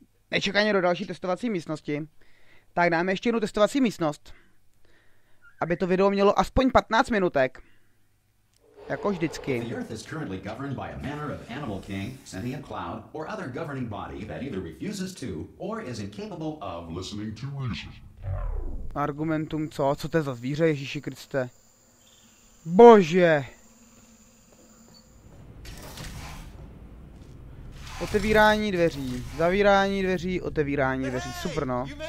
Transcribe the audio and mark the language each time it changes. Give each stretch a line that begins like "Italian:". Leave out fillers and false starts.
Czech: Nečekaně do další testovací místnosti. Tak dáme ještě jednu testovací místnost. Aby to video mělo aspoň 15 minutek. Jako vždycky.
English: The Earth is currently governed by a manner of animal king, sentient cloud, or other governing body that either refuses to, or is incapable of listening to reason.
Czech: Argumentum co? Co to je za zvíře, Ježíši Kriste? Bože! Otevírání dveří, zavírání dveří, otevírání dveří, super no.